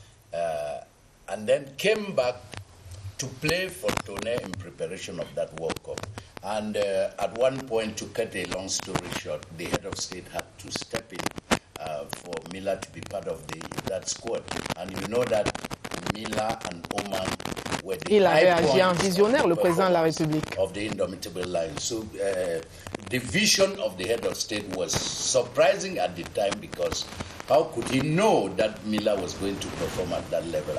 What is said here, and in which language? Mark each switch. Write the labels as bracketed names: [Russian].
[English] And then came back to play for Tonnerre in preparation of that World Cup. And at one point, to cut a long story short, the head of state had to step in for Miller to be part of that squad. And you know that Miller and Oman were the [French] Il a réagi en visionnaire, le président de la République. [English] Of the Indomitable Lions. So the vision of the head of state was surprising at the time because how could he know that Miller was going to perform at that level?